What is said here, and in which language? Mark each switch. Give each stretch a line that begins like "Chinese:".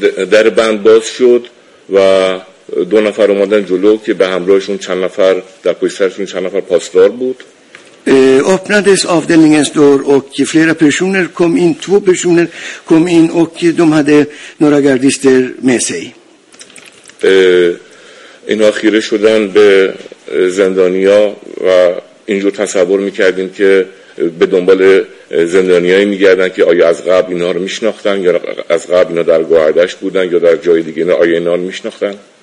Persian: در بند باز شد و دو نفر اومدن جلو که به همراهشون چند نفر در پشت سرشون چند نفر پاسدار بود.
Swedish: Öppnades avdelningens dörr och flera personer kom in, två personer kom in och de hade några gardister med sig.
Persian: اینا خیره شدن به زندانیا و اینجور تصور میکردیم که به دنبال زندانیایی میگردن که آیا از قبل اینا رو میشناختن یا از قبل اینا در گوهردشت بودن یا در جای دیگه، اینا آیا اینا رو میشناختن.